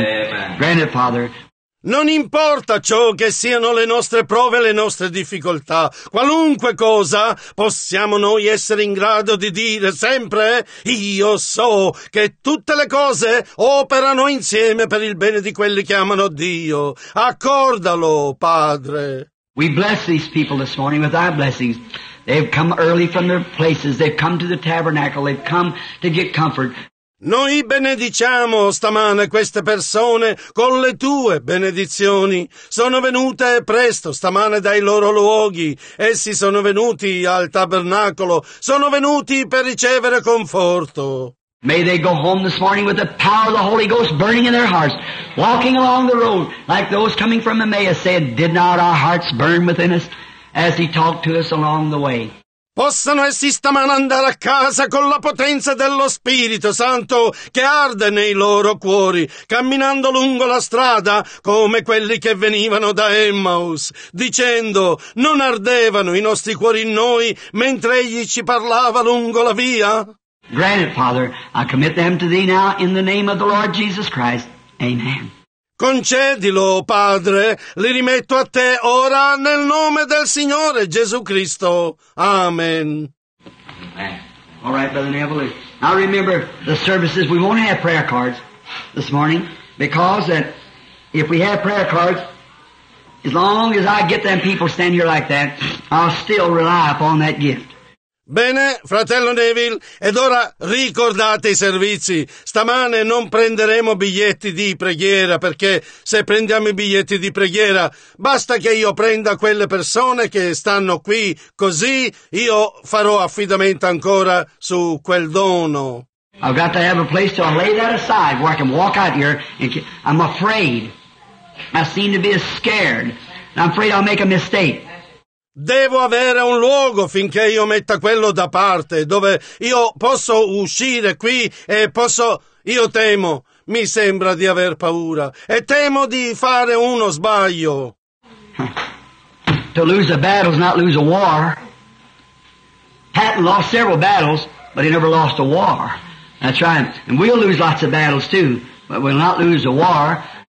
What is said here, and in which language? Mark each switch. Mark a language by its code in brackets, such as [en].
[en] Amen. Granted, Father. [it] Non importa ciò che siano le nostre prove e le nostre difficoltà, qualunque cosa, possiamo noi essere in grado di dire sempre, io so che tutte le cose operano insieme per il bene di quelli che amano Dio. Accordalo, Padre. [en] We bless these people this morning with our blessings. They've come early from their places. They've come to the tabernacle. They've come to get comfort. [it] Noi benediciamo stamane queste persone con le tue benedizioni. Sono venute presto stamane dai loro luoghi. Essi sono venuti al tabernacolo. Sono venuti per ricevere conforto. [en] May they go home this morning with the power of the Holy Ghost burning in their hearts, walking along the road, like those coming from Emmaus said, did not our hearts burn within us as he talked to us along the way? [it] Possano essi stamane andare a casa con la potenza dello Spirito Santo che arde nei loro cuori, camminando lungo la strada come quelli che venivano da Emmaus, dicendo, non ardevano i nostri cuori in noi mentre egli ci parlava lungo la via? [en] Grant it, Father. I commit them to Thee now in the name of the Lord Jesus Christ. Amen. [it] Concedilo, Padre. Li rimetto a Te ora nel nome del Signore Gesù Cristo. Amen. [en] Amen. All right, Brother Neville. Now remember the services. We won't have prayer cards this morning because that if we have prayer cards, as long as I get them people stand here like that, I'll still rely upon that gift. [it] Bene, fratello Neville, ed ora ricordate i servizi. Stamane non prenderemo biglietti di preghiera, perché se prendiamo i biglietti di preghiera, basta che io prenda quelle persone che stanno qui, così io farò affidamento ancora su quel dono. [en] I've got to have a place to lay that aside where I can walk out here. And I'm afraid. I seem to be scared. I'm afraid I'll make a mistake. [it] Devo avere un luogo finché io metta quello da parte, dove io posso uscire qui e posso... Io temo, mi sembra di aver paura, e temo di fare uno sbaglio. [en] To lose a battle is not lose a war. Patton lost several battles, but he never lost a war. That's right. And we'll lose lots of battles too, but we'll not lose a war.